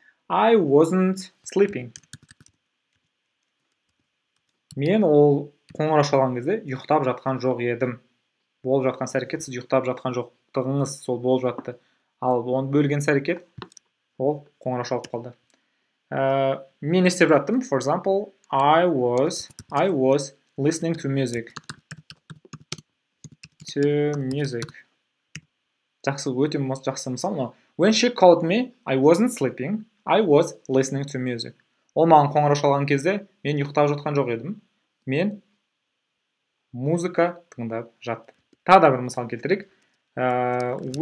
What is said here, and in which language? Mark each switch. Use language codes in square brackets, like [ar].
[en] I wasn't sleeping. [kk] Мен ол қоңырау шалған кезде ұйықтап жатқан жоқ едім. Болып жатқан сәрекет сіз ұйықтап жатқан жоқтығыңыз сол болып жатты. Ал оны бөлген сәрекет ол қоңырау шалып қалды. Мен істеп жаттым. [en] For example, I was listening to music. To music. [kk] Жақсы, өте жақсы мысал. [en] When she called me, I wasn't sleeping. I was listening to music. [kk] Ол маған қоңырау шалған кезде мен ұйықтап жатқан жоқ едім. Мен музыка тыңдап жаттым. Тағы да бір мысал келтірейік.